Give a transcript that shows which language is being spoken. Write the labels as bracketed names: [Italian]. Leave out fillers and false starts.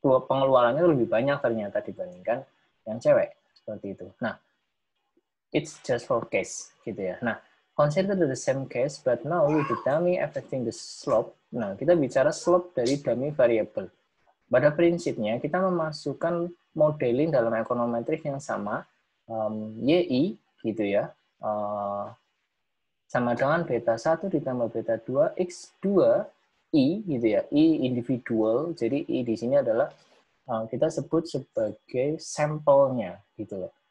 [Indonesian] Pengeluarannya lebih banyak ternyata dibandingkan yang cewek, seperti itu. Nah, it's just for case, gitu ya. [English] Nah, consider the same case, but now with the dummy affecting the slope. [Indonesian] Nah, kita bicara slope dari dummy variable. Pada prinsipnya, kita memasukkan modeling dalam ekonometrik yang sama, YI, gitu ya, sama dengan beta 1 ditambah beta 2, X2, I, gitu ya, I individual, jadi I di sini adalah kita sebut sebagai sampelnya, gitu ya.